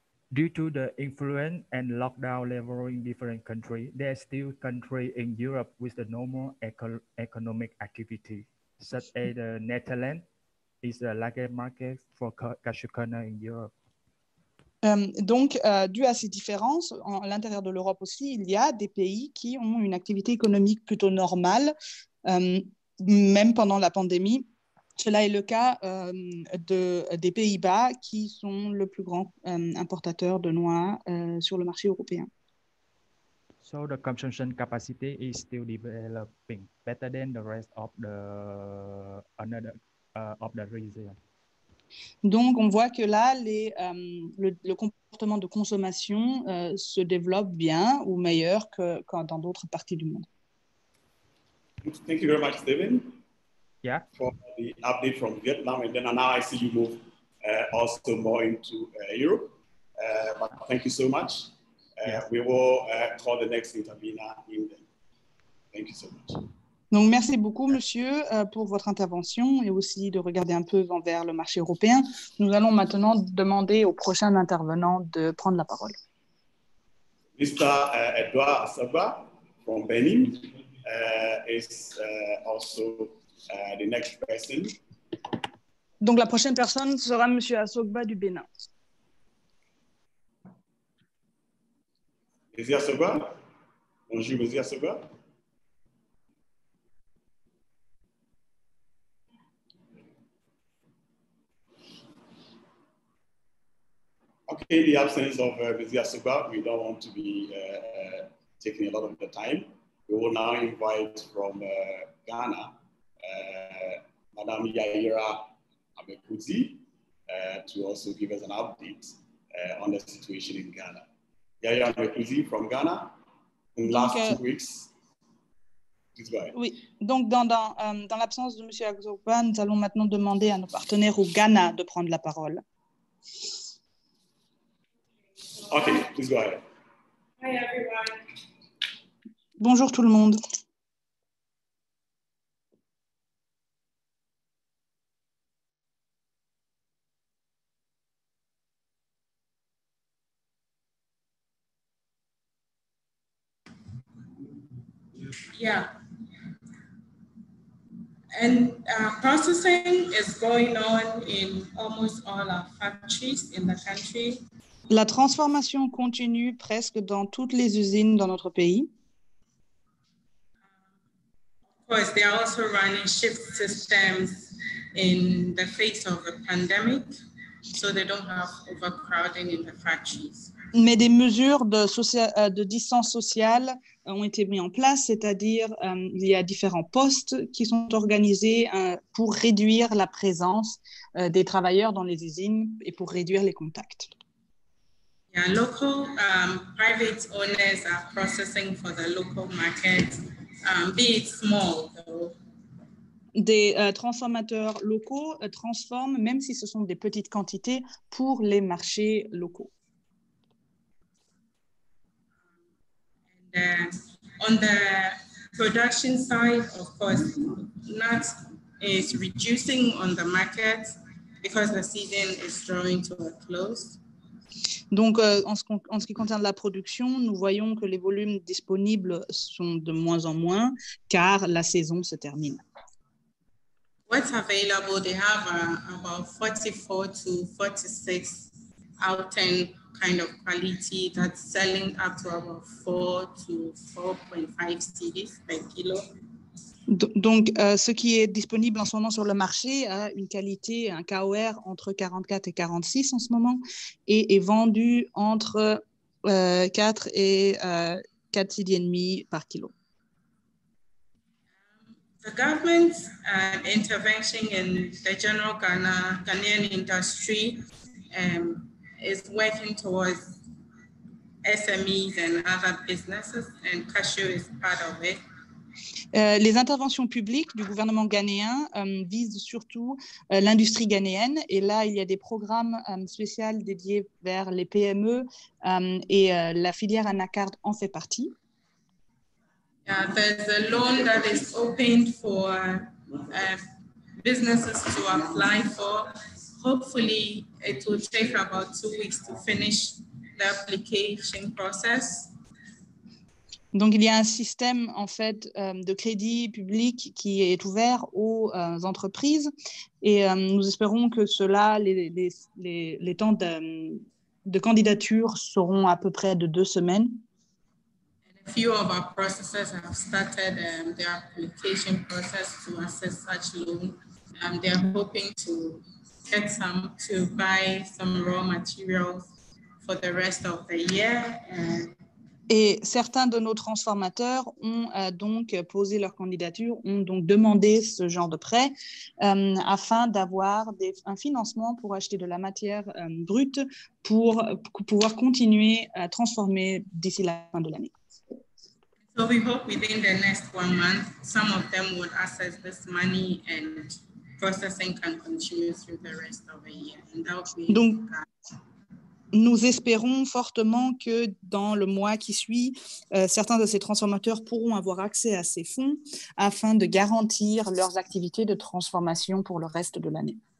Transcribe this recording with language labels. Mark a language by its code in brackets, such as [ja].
[en] Due to the influence and lockdown level in different countries, there are still countries in Europe with the normal economic activity, such as the Netherlands is the largest market for cashew kernel in Europe. [fr] Dû à ces différences, à l'intérieur de l'Europe aussi, il y a des pays qui ont une activité économique plutôt normale, même pendant la pandémie. Cela est le cas des Pays-Bas, qui sont le plus grand importateur de noix sur le marché européen. [en] So the consumption capacity is still developing better than the rest of the region. [fr] Donc, on voit que là, le comportement de consommation se développe bien ou meilleur que dans d'autres parties du monde. [en] Thank you very much, Steven. Yeah. For the update from Vietnam, and then now I see you move also more into Europe. But thank you so much. We will call the next intervener in then. Thank you so much. [fr] Donc, merci beaucoup, monsieur, pour votre intervention et aussi de regarder un peu envers le marché européen. Nous allons maintenant demander au prochain intervenant de prendre la parole. [en] Mr. Edouard Asaba from Benin is also the next person. [fr] Donc, la prochaine personne sera monsieur Asogba du Bénin. Monsieur Asogba. Bonjour, monsieur Asogba. [en] Okay, in the absence of Vizier Asogba, we don't want to be taking a lot of the time. We will now invite from Ghana, Madame Yaira Abekuzi, to also give us an update on the situation in Ghana. Yaira Abekuzi from Ghana, in the last 2 weeks. Please go ahead. [fr] Oui, donc dans l'absence de Monsieur Asogba, nous allons maintenant demander à nos partenaires au Ghana de prendre la parole. [en] Okay, please go ahead. Hi everyone. [fr] Bonjour tout le monde. [en] Yeah. And processing is going on in almost all our factories in the country. [fr] La transformation continue presque dans toutes les usines dans notre pays. [en] Of course, they are also running shift systems in the face of a pandemic, so they don't have overcrowding in the factories. [fr] Mais des mesures de distance sociale ont été mises en place, c'est-à-dire il y a différents postes qui sont organisés pour réduire la présence des travailleurs dans les usines et pour réduire les contacts. [en] Yeah, local private owners are processing for the local market, be it small though. [fr] Des transformateurs locaux transforment, même si ce sont des petites quantités, pour les marchés locaux. [en] And, on the production side, of course, nut is reducing on the market because the season is drawing to a close. [fr] Donc, en ce qui concerne la production, nous voyons que les volumes disponibles sont de moins en moins, car la saison se termine. [en] What's available, they have about 44 to 46 out 10 kind of quality that's selling up to about 4 to 4.5 CDs per kilo. [fr] Donc, ce qui est disponible en ce moment sur le marché a une qualité, un KOR entre 44 et 46 en ce moment, et est vendu entre 4 et 4,5 par kilo. [en] The government's intervention in the general Ghanaian industry is working towards SMEs and other businesses, and cashew is part of it. [fr] Les interventions publiques du gouvernement ghanéen visent surtout l'industrie ghanéenne. Et là, il y a des programmes spéciaux dédiés vers les PME et la filière Anacard en fait partie. [en] Yeah, there's a loan that is open for businesses to apply for. Hopefully, it will take about 2 weeks to finish the application process. [fr] Donc, il y a un système, en fait, de crédit public qui est ouvert aux entreprises et nous espérons que cela, les temps de candidature seront à peu près de 2 semaines. [en] A few of our processes have started the application process to assess such loan. They are hoping to get some, to buy some raw materials for the rest of the year. [fr] Et certains de nos transformateurs ont donc posé leur candidature, ont donc demandé ce genre de prêt afin d'avoir un financement pour acheter de la matière brute pour pouvoir continuer à transformer d'ici la fin de l'année. [en] So we hope within the next 1 month, some of them will access this money and processing can continue through the rest of the year. And that will be [fr] donc, nous espérons fortement que dans le mois qui suit, certains de ces transformateurs pourront avoir accès à ces fonds afin de garantir leurs activités de transformation pour le reste de l'année.